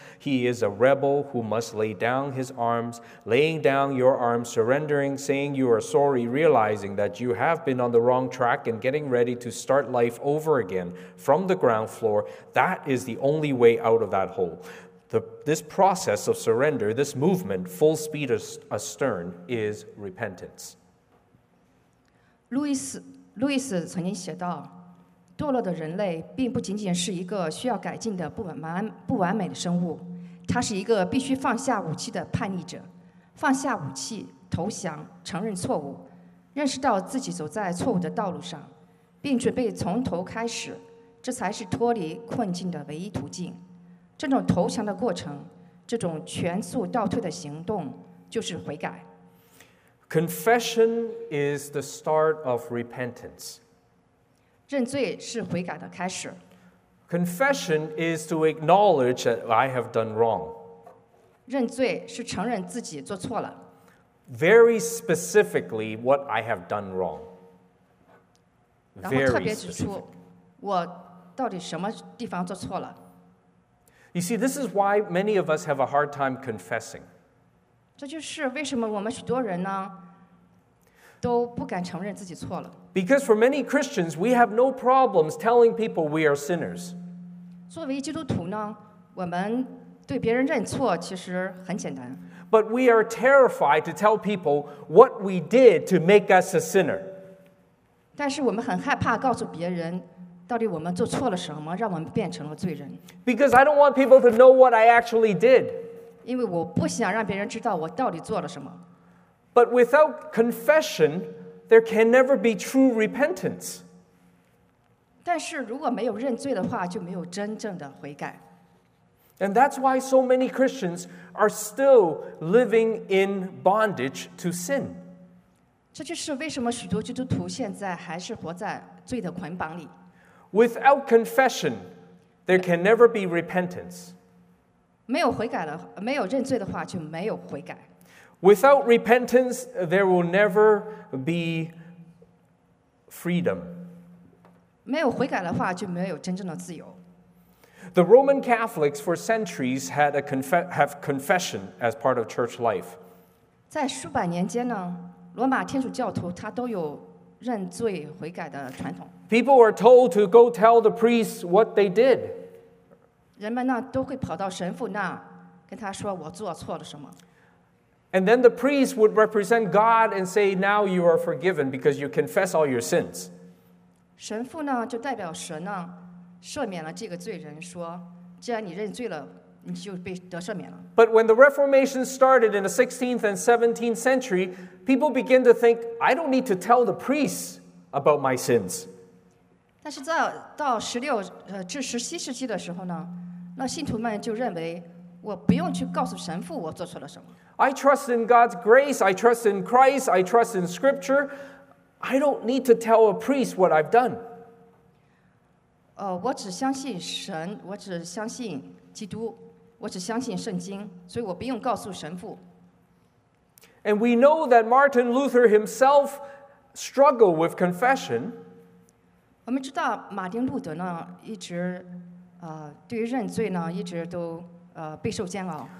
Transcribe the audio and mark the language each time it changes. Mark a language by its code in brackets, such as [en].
[en] He is a rebel who must lay down his arms, laying down your arms, surrendering, saying you are sorry, realizing that you have been on the wrong track and getting ready to start life over again from the ground floor. That is the only way out of that hole. This process of surrender, this movement, full speed astern, is repentance. [zh] Louis 曾经写道，堕落的人类并不仅仅是一个需要改进的不完美的生物，他是一个必须放下武器的叛逆者，放下武器，投降，承认错误，认识到自己走在错误的道路上，并准备从头开始，这才是脱离困境的唯一途径。这种投降的过程，这种全速倒退的行动，就是悔改。 [en] Confession is the start of repentance. [zh] 认罪是悔改的开始。 [en] Confession is to acknowledge that I have done wrong. [zh] 认罪是承认自己做错了。 [en] Very specifically, what I have done wrong. [zh] 然后特别指出，我到底什么地方做错了。 [en] You see, this is why many of us have a hard time confessing. [zh] 这就是为什么我们许多人呢都不敢承认自己错了。 [en] Because for many Christians, we have no problems telling people we are sinners. [zh] 作为基督徒呢，我们对别人认错其实很简单。 [en] But we are terrified to tell people what we did to make us a sinner. [zh] 但是我们很害怕告诉别人到底我们做错了什么，让我们变成了罪人。 [en] Because I don't want people to know what I actually did. [zh] 因为我不想让别人知道我到底做了什么。 [en] But without confession, there can never be true repentance. [zh] 但是如果没有认罪的话，就没有真正的悔改。 [en] And that's why so many Christians are still living in bondage to sin. [zh] 这就是为什么许多基督徒现在还是活在罪的捆绑里。 [en] Without confession, there can never be repentance. [zh] 没有悔改了，没有认罪的话，就没有悔改。 [en] Without repentance, there will never be freedom. [zh] 没有悔改的话，就没有真正的自由。 [en] The Roman Catholics for centuries had confession as part of church life. [zh] 在数百年间呢，罗马天主教徒他都有认罪悔改的传统。 [en] People were told to go tell the priests what they did. [zh] 人们呢都会跑到神父那，跟他说我做错了什么。 [en] And then the priest would represent God and say, now you are forgiven because you confess all your sins. [zh] 神父呢就代表神呢赦免了这个罪人，说既然你认罪了，你就被得赦免了。 [en] But when the Reformation started in the 16th and 17th century, people began to think, I don't need to tell the priests about my sins. [zh] 但是在到16至17世纪的时候呢，那信徒们就认为我不用去告诉神父我做错了什么。 [en] I trust in God's grace, I trust in Christ, I trust in Scripture. I don't need to tell a priest what I've done. [zh] 我只相信神，我只相信基督，我只相信圣经，所以我不用告诉神父。 [en] And we know that Martin Luther himself struggled with confession. [zh] 我们知道马丁路德呢，一直对于认罪呢，一直都备受煎熬。